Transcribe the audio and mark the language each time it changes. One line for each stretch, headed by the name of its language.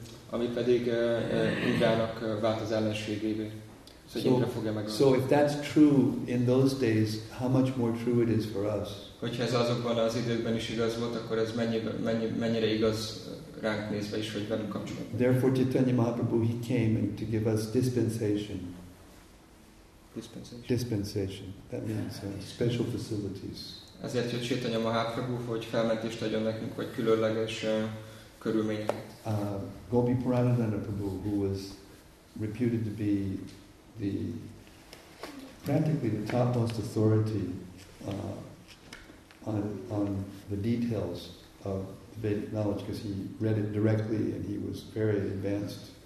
Hungarian: Ami pedig Indrának vált az ellenségévé. Szóval Indra fogja megölni.
English: So if that's true in those days, how much more true it is for us?
Hungarian: Hogyha ez azokban az időkben is igaz volt, akkor ez mennyire igaz ránk nézve is, hogy velünk kapcsolatban.
English: Therefore Chaitanya Mahaprabhu, he came to give us dispensation. Dispensation. That means special facilities.
Hungarian: Ezért jött Chaitanya Mahaprabhu, hogy felmentést adjon nekünk, vagy különleges körülményeket.
English: Gopi Puranadana Prabhu, who was reputed to be the practically the topmost authority on the details of Vedic knowledge, because he read it directly and he was very advanced.